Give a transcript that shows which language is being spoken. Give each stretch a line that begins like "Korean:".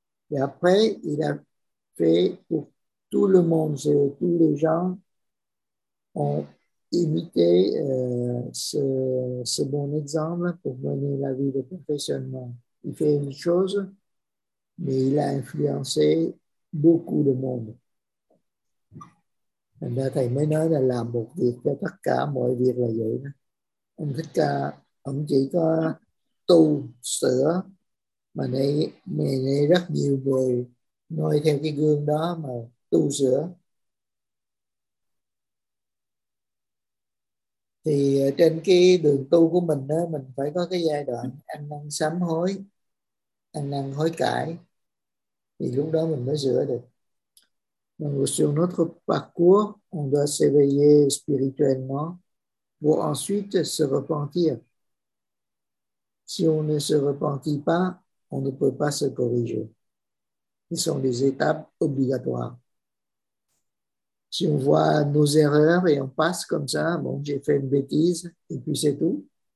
French: Et après il a fait pour tout le monde, tous les gens ont imiter ce bon exemple pour mener la vie de perfectionnement. Il fait une chose, mais il a influencé beaucoup de monde.
Vietnamese: Thành ra thầy mới nói là làm một việc cho tất cả mọi việc là vậy. Ông Thích Ca, ông chỉ có tu sửa, mà này rất nhiều người noi theo cái gương đó mà tu sửa. Thì trên cái đường tu của mình đó, mình phải có cái giai đoạn ăn năn sám hối, ăn năn hối cải, thì lúc đó mình mới rửa được.
French: Mais sur notre parcours, on doit s'éveiller spirituellement pour ensuite se repentir. Si on ne se repentit pas, on ne peut pas se corriger. Ce sont des étapes obligatoires. Si on voit nos erreurs et on passe comme ça, bon, j'ai fait une bêtise et puis c'est tout.